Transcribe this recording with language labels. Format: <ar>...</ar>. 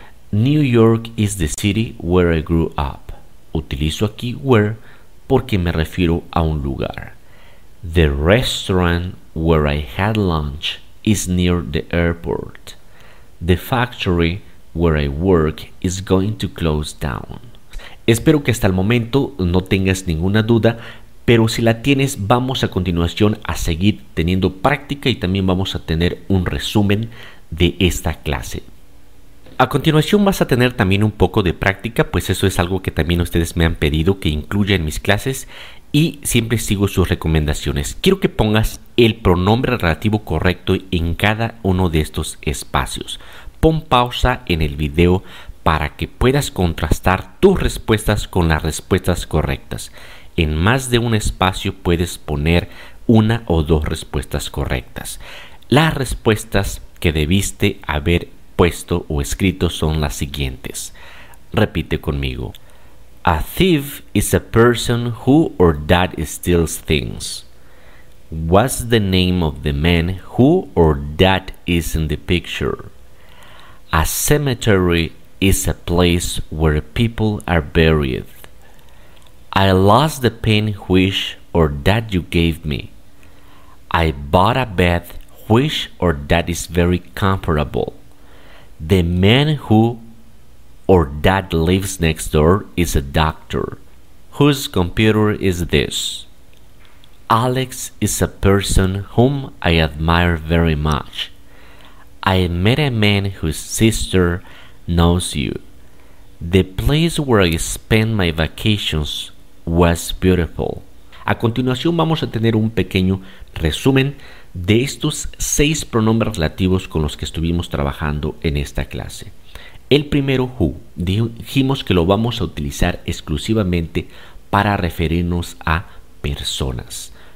<en>New York is the city where I grew up.</en> <es>Utilizo aquí where porque me refiero a un lugar.</es> <en>The restaurant where I had lunch is near the airport. The factory where I work is going to close down.</en> <es>Espero que hasta el momento no tengas ninguna duda, pero si la tienes, vamos a continuación a seguir teniendo práctica y también vamos a tener un resumen de esta clase. A continuación vas a tener también un poco de práctica, pues eso es algo que también ustedes me han pedido que incluya en mis clases y siempre sigo sus recomendaciones. Quiero que pongas el pronombre relativo correcto en cada uno de estos espacios. Pon pausa en el video para que puedas contrastar tus respuestas con las respuestas correctas. En más de un espacio puedes poner una o dos respuestas correctas. Las respuestas que debiste haber puesto o escrito son las siguientes. Repite conmigo.</es> <en>A thief is a person who or that steals things. What's the name of the man who or that is in the picture? A cemetery is a place where people are buried. I lost the pen which or that you gave me. I bought a bed which or that is very comfortable. The man who or that lives next door is a doctor. Whose computer is this? Alex is a person whom I admire very much. I met a man whose sister knows you. The place where I spent my vacations was beautiful.</en> <es>A continuación vamos a tener un pequeño resumen de estos 6 pronombres relativos con los que estuvimos trabajando en esta clase. El primero, who, dijimos que lo vamos a utilizar exclusivamente para referirnos a personas.</es>